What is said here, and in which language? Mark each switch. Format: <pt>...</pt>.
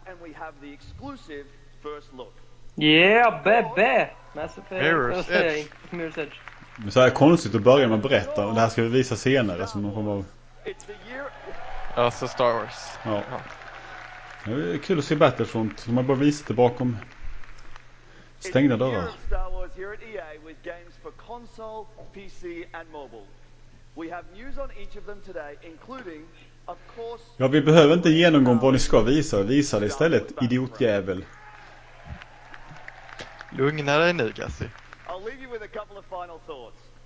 <en>and we have the exclusive first look. Yeah, bebe! Mirror's Edge.</en> <sv>Men så här är konstigt att börja med att berätta. Det här ska vi visa senare. Som någon form av... Alltså Star Wars. Ja. Det är kul att se Battlefront. De har bara visat det bakom stängda dörrar.</sv> <en>Star Wars here at EA with games for console, PC and mobile. We have news on each of them today, including... Of course...</en> <sv>Ja, vi behöver inte genomgå vad ni ska visa. Visa det istället, idiotjävel. Lugna dig nu, Gassi.</sv> <en>I'll leave you with a couple of final thoughts.</en>